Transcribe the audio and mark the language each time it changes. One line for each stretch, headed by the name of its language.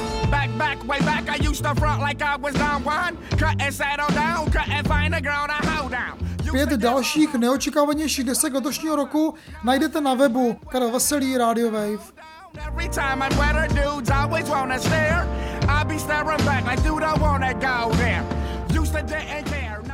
English: Back, I used to front like I was Don Juan. Couldn't settle down, couldn't find a girl to hold down.
Czech: 5 dalších neočekávanějších desek letošního roku najdete na webu Karel Veselý, Radio Wave.
English: Every time I'm better dudes always wanna stare. I be staring back like dude I wanna go there. Used to didn't care.